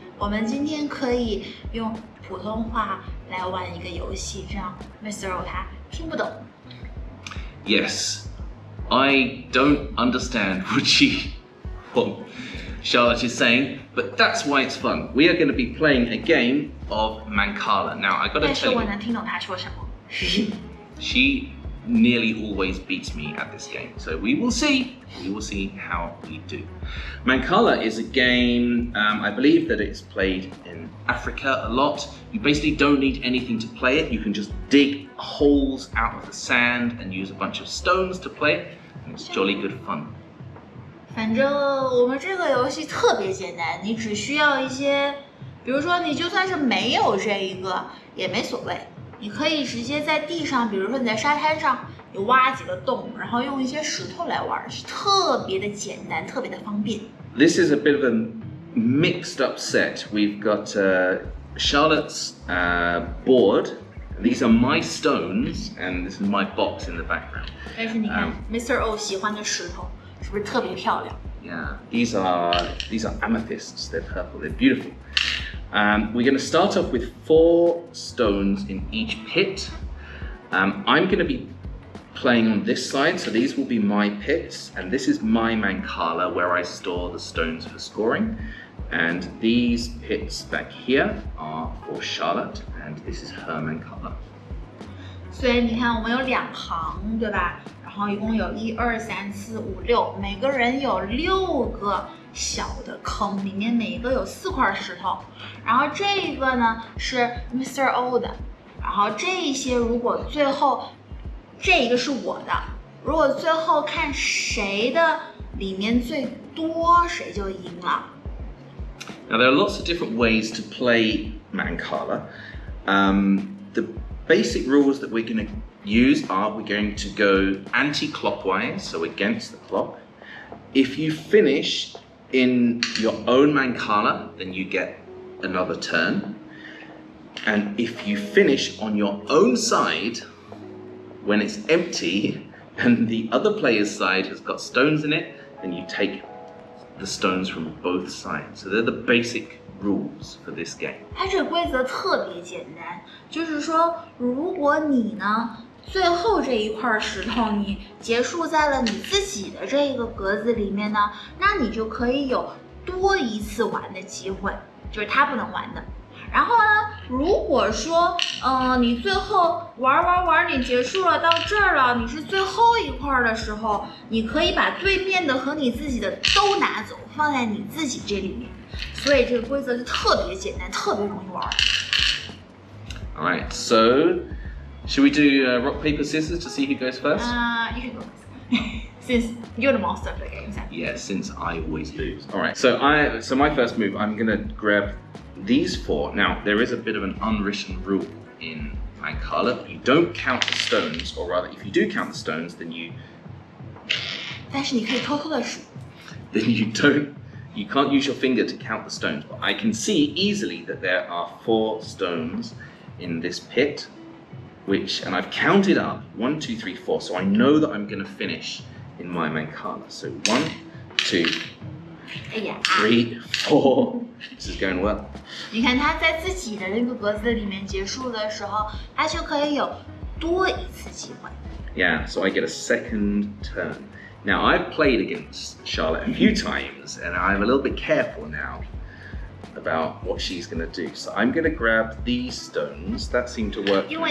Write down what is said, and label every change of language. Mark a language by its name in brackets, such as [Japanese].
[Chinese] 我们今天可以用普通话来玩一个游戏，这样 Mr. O 他听不懂。 [English] Yes, I don't understand what Charlotte is saying, but that's why it's fun. We are going to be playing a game of MANCALA. Now, I've got to tell you. [Chinese] 但是我能听懂他说什么。 [English] She. Nearly always beats me at this game. So we will see. We will see how we do. MANCALA is a game, I believe that it's played in Africa a lot. You basically don't need anything to play it. You can just dig holes out of the sand and use a bunch of stones to play it. And it's jolly good fun. [Chinese] 反正我们这个游戏特别简单，你只需要一些，比如说你就算是没有这一个，也没所谓。你可以直接在地上，比如说你在沙滩上，你挖几个洞，然后用一些石头来玩，是特别的简单，特别的方便。 [English] This is a bit of a mixed up set. We've got Charlotte's board. These are my stones, and this is my box in the background. [Chinese] 但是你看，Mr. O 喜欢的石头是不是特别漂亮 [English] ？Yeah, these are amethysts. They're purple. They're beautiful. We're going to start off with four stones in each pit. I'm going to be playing on this side, so these will be my pits, and this is my MANCALA where I store the stones for scoring. And these pits back here are for Charlotte, and this is her MANCALA. [Chinese] 所以你看，我们有两行，对吧？然后一共有一二三四五六，每个人有六个。小的坑里面每一个有四块石头，然后这个呢是 Mr. O 的，然后这些如果最后这一个是我的，如果最后看谁的里面最多，谁就赢了。 [English] Now there are lots of different ways to play MANCALA. The basic rules that we're going to use are we're going to go anti-clockwise, so against the clock. If you finish. In your own MANCALA, then you get another turn. And if you finish on your own side, when it's empty, and the other player's side has got stones in it, then you take the stones from both sides. So they're the basic rules for this game. [Chinese] 它这个规则特别简单，就是说，如果你呢，最后这一块石头你结束在了你自己的这个格子里面呢，那你就可以有多一次玩的机会，就是他不能玩的。然后呢，如果说你最后玩玩玩你结束了，到这儿了，你是最后一块的时候，你可以把对面的和你自己的都拿走，放在你自己这里面。所以这个规则就特别简单，特别容易玩。 [English] All right, so... Should we do rock, paper, scissors to see who goes first? You can go first. Since you're the master of the game. Yeah, since I always lose. All right, so my first move, I'm going to grab these four. Now, there is a bit of an unwritten rule in MANCALA. You don't count the stones, or rather, if you do count the stones, then you... [Chinese] 但是你可以偷偷地数。 [English] Then you don't... You can't use your finger to count the stones. But I can see easily that there are four stones in this pit. Which, and I've counted up, 1, 2, 3, 4, so I know that I'm going to finish in my MANCALA. So 1, 2, 3, 4, this is going well. [Chinese] 你看他在自己的那个格子里面结束的时候，他就可以有多一次机会。 [English] Yeah, so I get a second turn. Now, I've played against Charlotte a few times, and I'm a little bit careful now. About what she's gonna do. So I'm gonna grab these stones that seem to work.